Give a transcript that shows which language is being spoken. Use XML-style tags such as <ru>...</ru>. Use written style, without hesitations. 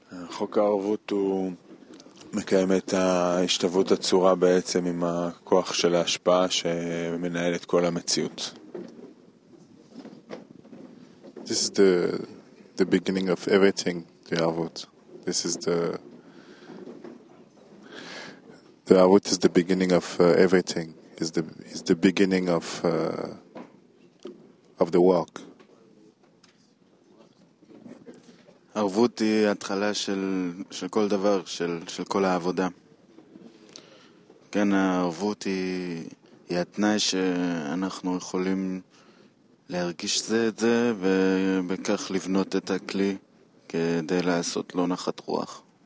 <he>חוק הערבות הוא מקיים את ההשתוות הצורה בעצם עם הכוח של ההשפעה שמנהל את כל המציאות.</he> <en>This is the beginning of everything, the ערבות. This is the ערבות is the beginning of everything. Is the beginning of the work.</en> <he>ערבות היא התחלה של כל דבר, של כל העבודה. כן, הערבות היא התנאי שאנחנו יכולים להרגיש זה ובכך לבנות את הכלי כדי לעשות לו נחת רוח.</he>